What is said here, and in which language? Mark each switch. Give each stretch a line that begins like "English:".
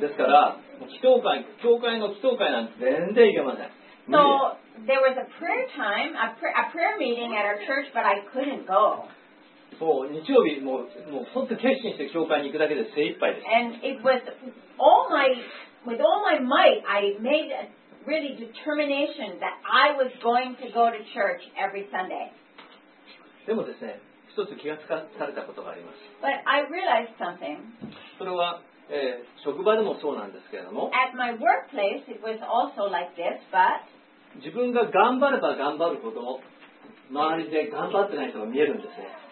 Japanese: ですから、教会の祈祷会なんて全然行けません。
English: So there was a prayer time, a prayer meeting at our church, but I couldn't go.
Japanese: もう日曜日もう本当に決心して教会に行くだけで精一杯です。
English: And it was all my, with all my might, I made a really determination that I was going to go to church every Sunday.
Japanese: でもですね、一つ気がつかされたことがあります。
English: But I realized something.
Japanese: それは、職場でもそうなんですけれども。
English: At my workplace, it was also like this, but.
Japanese: 自分が頑張れば頑張るほど、周りで頑張ってない人が見えるんですね。